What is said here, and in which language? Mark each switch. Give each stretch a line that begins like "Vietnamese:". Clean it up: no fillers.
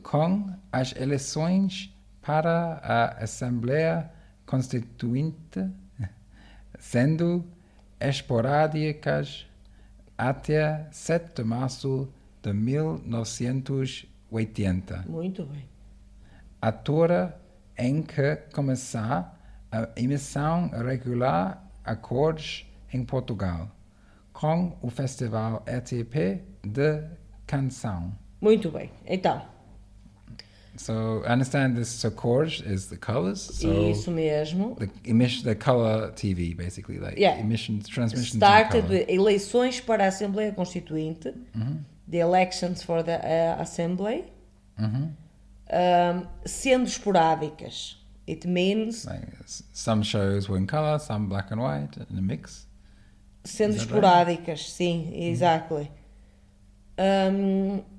Portuguese: com as eleições para a Assembleia Constituinte sendo esporádicas até 7 de março de 1980. Muito bem. A altura em que começar a emissão regular a cores em Portugal, com o Festival RTP de Canção. Muito bem, então.
English: So, I understand this, so cores is the colors. So
Portuguese: isso mesmo.
English: The emission, the color TV, basically. Like yeah. Emissions, transmissions in color. Started with
Portuguese: eleições para a Assembleia Constituinte. Mm-hmm.
English: The elections for the assembly. Mm-hmm.
Portuguese: Sendo esporádicas.
English: It means... Like, some shows were in color, some black and white, in a mix.
Portuguese: Sendo esporádicas, right? Sim, exactly. Mm-hmm.